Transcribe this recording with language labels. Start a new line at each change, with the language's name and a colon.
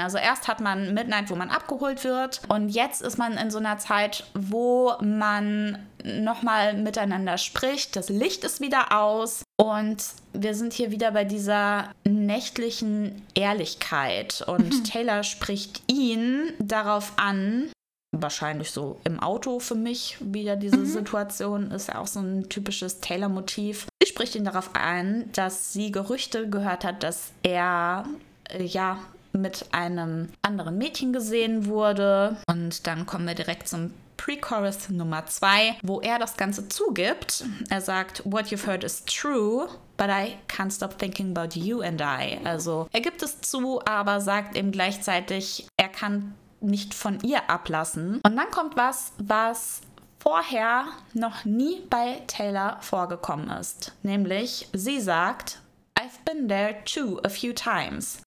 German: Also erst hat man Midnight, wo man abgeholt wird und jetzt ist man in so einer Zeit, wo man nochmal miteinander spricht, das Licht ist wieder aus und wir sind hier wieder bei dieser nächtlichen Ehrlichkeit und Taylor spricht ihn darauf an, wahrscheinlich so im Auto für mich wieder diese Situation, ist ja auch so ein typisches Taylor-Motiv. Sie spricht ihn darauf an, dass sie Gerüchte gehört hat, dass er ja mit einem anderen Mädchen gesehen wurde und dann kommen wir direkt zum Pre-Chorus Nummer 2, wo er das Ganze zugibt. Er sagt,
English: what you've heard is true, but I can't stop thinking about you and I.
German: Also er gibt es zu, aber sagt eben gleichzeitig, er kann nicht von ihr ablassen. Und dann kommt was, was vorher noch nie bei Taylor vorgekommen ist. Nämlich, sie sagt,
English: I've been there too a few times.